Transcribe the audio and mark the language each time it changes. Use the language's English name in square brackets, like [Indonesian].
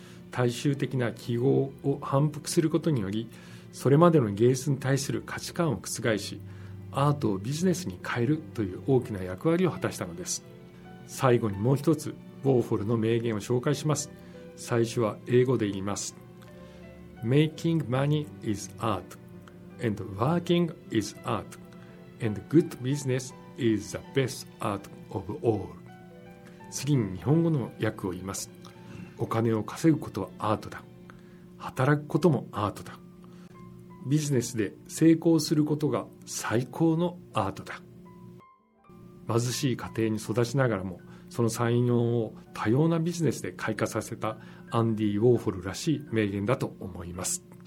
[Japanese] 大衆的な記号を反復することにより、それまでの芸術に対する価値観を覆し、アートをビジネスに変えるという大きな役割を果たしたのです。最後にもう一つウォーホルの名言を紹介します。最初は英語で言います。 [English] Making money is art and working is art and good business is the best art of all。 [Japanese] 次に日本語の訳を言います。お金を稼ぐことはアートだ、働くこともアートだ、ビジネスで成功することが最高のアートだ。貧しい家庭に育ちながらも、その才能を多様なビジネスで開花させたアンディ・ウォーホルらしい名言だと思います。